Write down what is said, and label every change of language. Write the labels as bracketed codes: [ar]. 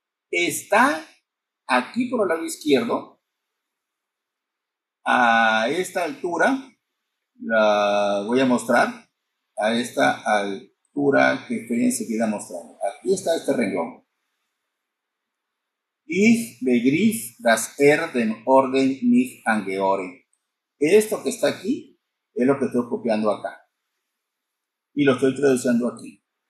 [es] está aquí por el lado izquierdo, a esta altura, la voy a mostrar, a esta altura que estoy enseguida mostrando. Aquí está este renglón. [de] Ich begriff das den Orden nicht angehöre. [es] Esto que está aquí es lo que estoy copiando acá. Y lo estoy traduciendo aquí.